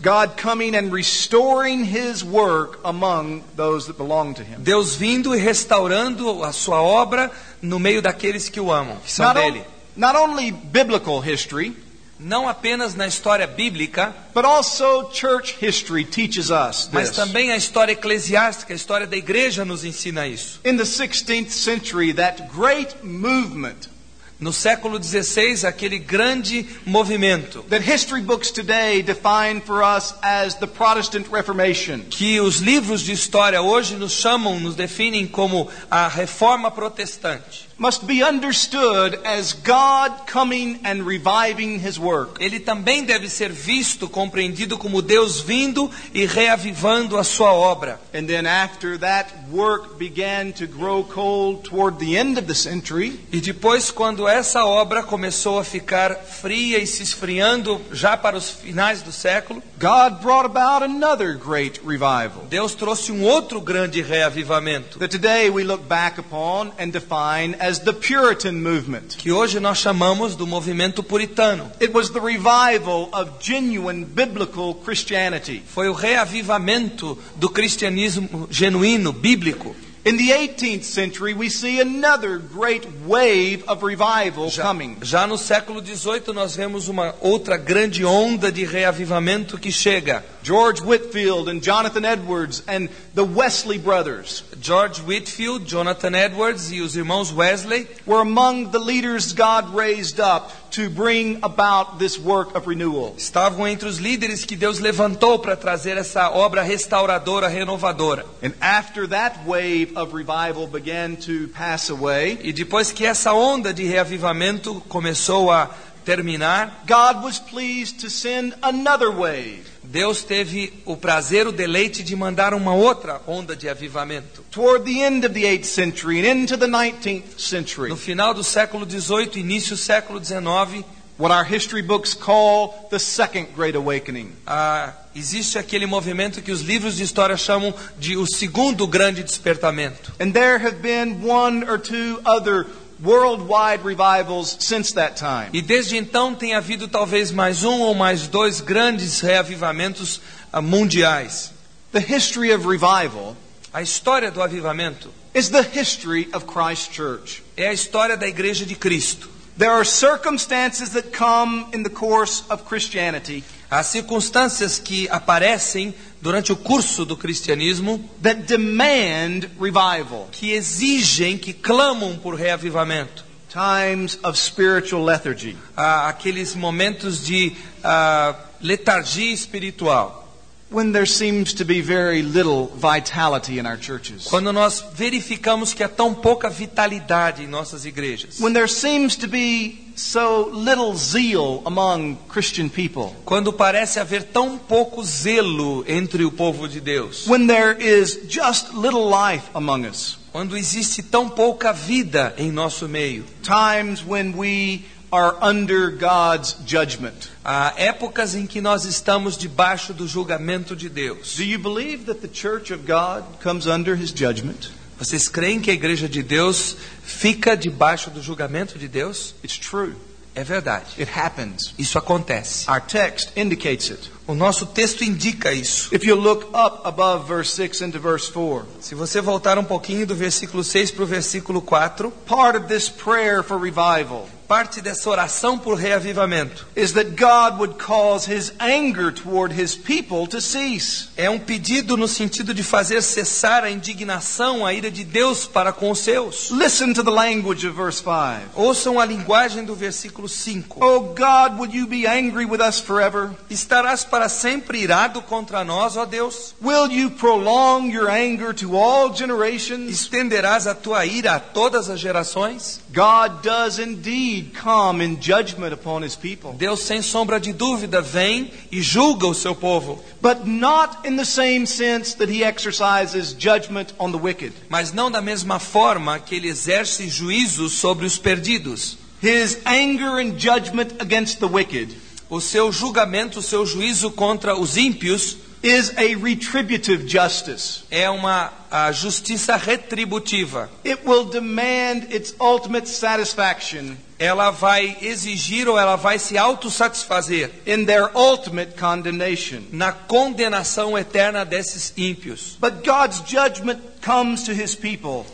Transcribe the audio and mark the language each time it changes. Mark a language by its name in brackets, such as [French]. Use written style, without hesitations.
[English] God coming and restoring his work among those that belong to him. [Portuguese] Deus vindo e restaurando a sua obra no meio daqueles que o amam, que são dele. [English] Not only biblical history, [Portuguese] não apenas na história bíblica, [English] but also church history teaches us this. [Portuguese] Mas também a história eclesiástica, a história da igreja nos ensina isso. [English] In the 16th century, that great movement, [Portuguese] no século 16, aquele grande movimento, [English] that history books today define for us as the Protestant Reformation, [Portuguese] que os livros de história hoje nos chamam, nos definem como a Reforma Protestante, [English] must be understood as God coming and reviving his work. [Portuguese] Ele também deve ser visto, compreendido como Deus vindo e reavivando a sua obra. [English] And then after that work began to grow cold toward the end of the century, [Portuguese] e depois quando essa obra começou a ficar fria e se esfriando já para os finais do século, [English] God brought about another great revival. [Portuguese] Deus trouxe um outro grande reavivamento. [English] That today we look back upon and define as the Puritan movement. [Portuguese] Que hoje nós chamamos do movimento puritano. [English] It was the revival of genuine biblical Christianity. [Portuguese] Foi o reavivamento do cristianismo genuíno, bíblico. [English] In the 18th century, we see another great wave of revival coming. [Portuguese] Já no século 18 nós vemos uma outra grande onda de reavivamento que chega. [English] George Whitefield and Jonathan Edwards and the Wesley brothers. [Portuguese] George Whitefield, Jonathan Edwards e os irmãos Wesley [English] were among the leaders God raised up to bring about this work of renewal. [Portuguese] Estavam entre os líderes que Deus levantou para trazer essa obra restauradora, renovadora. [English] And after that wave of revival began to pass away, [Portuguese] e depois que essa onda de reavivamento começou a terminar, [English] God was pleased to send another wave. [Portuguese] Deus teve o prazer, o deleite de mandar uma outra onda de avivamento. [English] Toward the end of the 8th century and into the 19th century. [Portuguese] No final do século 18, início do século 19, [English] what our history books call the Second Great Awakening. [Portuguese] Existe aquele movimento que os livros de história chamam de o segundo grande despertamento. [English] And there have been one or two other worldwide revivals since that time. [Portuguese] E desde então tem havido talvez mais um ou mais dois grandes reavivamentos mundiais. [English] The history of revival, [Portuguese] a história do avivamento, [English] is the history of Christ's church. [Portuguese] É a história da igreja de Cristo. [English] There are circumstances that come in the course of Christianity, [Portuguese] há circunstâncias que aparecem durante o curso do cristianismo, [English] that demand revival, [Portuguese] que exigem, que clamam por reavivamento. [English] Times of spiritual lethargy, [Portuguese] aqueles momentos de letargia espiritual. [English] When there seems to be very little vitality in our churches. [Portuguese] Quando nós verificamos que há tão pouca vitalidade em nossas igrejas. [English] When there seems to be so little zeal among Christian people. [Portuguese] Quando parece haver tão pouco zelo entre o povo de Deus. [English] When there is just little life among us. [Portuguese] Quando existe tão pouca vida em nosso meio. [English] Times when we are under God's judgment. [Portuguese] Há épocas em que nós estamos debaixo do julgamento de Deus. [English] Do you believe that the church of God comes under his judgment? [Portuguese] Vocês creem que a igreja de Deus fica debaixo do julgamento de Deus? [English] It's true. [Portuguese] É verdade. [English] It happens. [Portuguese] Isso acontece. [English] Our text indicates it. [Portuguese] O nosso texto indica isso. [English] If you look up above verse 6 into verse 4. [Portuguese] Se você voltar um pouquinho do versículo 6 para o versículo 4, [English] part of this prayer for revival, [Portuguese] parte dessa oração por reavivamento, [English] is that God would cause his anger toward his people to cease. [Portuguese] É um pedido no sentido de fazer cessar a indignação, a ira de Deus para com os seus. [English] Listen to the language of verse 5. [Portuguese] Ouçam a linguagem do versículo 5. [English] Oh God, would you be angry with us forever? [Portuguese] Estarás para sempre irado contra nós, ó Deus? [English] Will you prolong your anger to all generations? [Portuguese] Estenderás a tua ira a todas as gerações? [English] God does indeed come in judgment upon his people. [Portuguese] Deus sem sombra de dúvida vem e julga o seu povo. [English] But not in the same sense that he exercises judgment on the wicked. [Portuguese] Mas não da mesma forma que ele exerce juízo sobre os perdidos. [English] His anger and judgment against the wicked, [Portuguese] o seu julgamento, o seu juízo contra os ímpios [English] is a retributive justice. [Portuguese] É uma justiça retributiva. [English] It will demand its ultimate satisfaction. [Portuguese] Ela vai exigir ou ela vai se autossatisfazer [English] in their ultimate condemnation. [Portuguese] Na condenação eterna desses ímpios. [English] But God's judgment comes to his people.